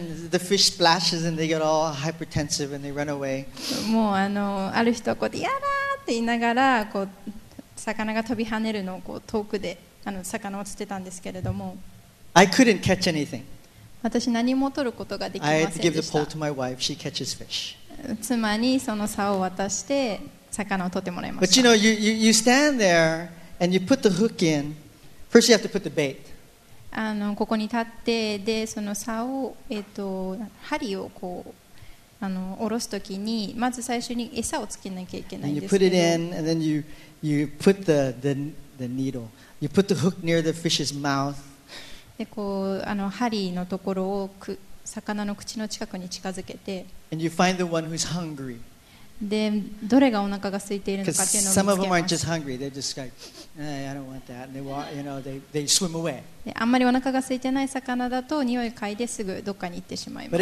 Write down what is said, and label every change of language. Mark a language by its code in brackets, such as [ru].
[en] The fish splashes and they get all hypertensive and they run away. [ja] もうある人はこうやだって言いながらこう魚が飛び跳ねるのをこう遠くで魚を釣ってたんですけれども、 [en] I couldn't catch anything. [ja] 私何も取ることができませんでした。 [en] I give the pole to my wife. She catches fish. [ja] 妻にその竿を渡して魚を取ってもらいました。 [en] But you know, you stand there and you put the hook in. First you have to put the bait. [ja] ここに立って、でその竿を針をこう下ろすときにまず最初に餌をつけなきゃいけないんですけど、 [en] You put it in and then you put the needle. You put the hook near the fish's mouth. [ja] でこう針のところを魚の口の近くに近づけて、 [en] And you find the one who's hungry. [ja] でどれがお腹が空いているのかっていうのを見つけます。 [en] Some of them aren't just hungry. They're just like, hey, I don't want that. And they walk, you know, they swim away. [ja] であんまりお腹が空いてない魚だと匂い嗅いですぐどっかに行ってしまいます。